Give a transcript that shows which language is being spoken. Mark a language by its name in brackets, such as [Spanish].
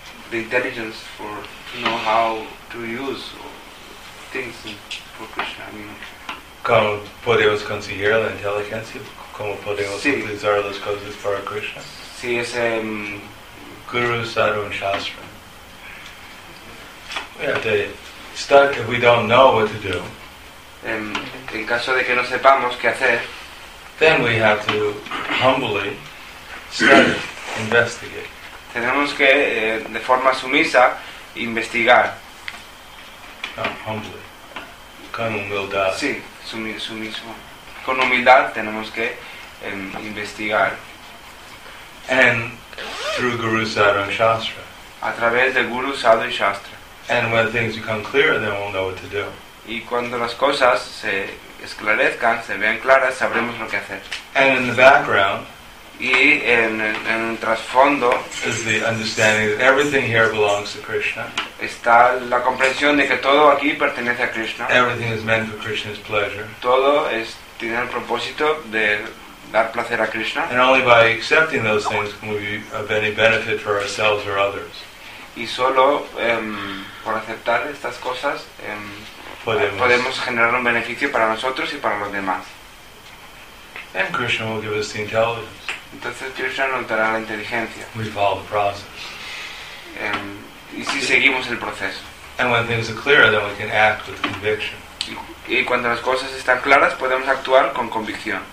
[English] The intelligence for to know how to use things for Krishna. I mean, [Spanish] ¿cómo podemos conseguir la inteligencia? ¿Cómo podemos utilizar las cosas para Krishna? Sí, es Guru Sarvam Shastra. [English] We have to start if we don't know what to do. [Spanish] En caso de que no sepamos qué hacer, [English] then we have to humbly study, investigate. [Spanish] Tenemos que de forma sumisa investigar. [English] Humbly. [Spanish] Con humildad. Sí, sumiso. Con humildad tenemos que investigar. [English] And through Guru Sadhana Shastra. [Spanish] A través de Guru Sadhana Shastra. [English] And when things become clear, then we'll know what to do. [Spanish] Y cuando las cosas se esclarezcan, se vean claras, sabremos lo que hacer. [English] And in the background, [Spanish] y en el trasfondo, [English] is the understanding that everything here belongs to Krishna. [Spanish] Está la comprensión de que todo aquí pertenece a Krishna. [English] Everything is meant for Krishna's pleasure. [Spanish] Todo es tiene el propósito de dar placer a Krishna. [English] And only by accepting those things can we be of any benefit for ourselves or others. [Spanish] Y solo por aceptar estas cosas podemos generar un beneficio para nosotros y para los demás. [English] And Krishna will give us the intelligence. [Spanish] Entonces Krishna nos dará la inteligencia. [English] We follow the process. [Spanish] Y si seguimos el proceso. [English] And when things are clearer, then we can act with conviction. [Spanish] Y cuando las cosas están claras, podemos actuar con convicción.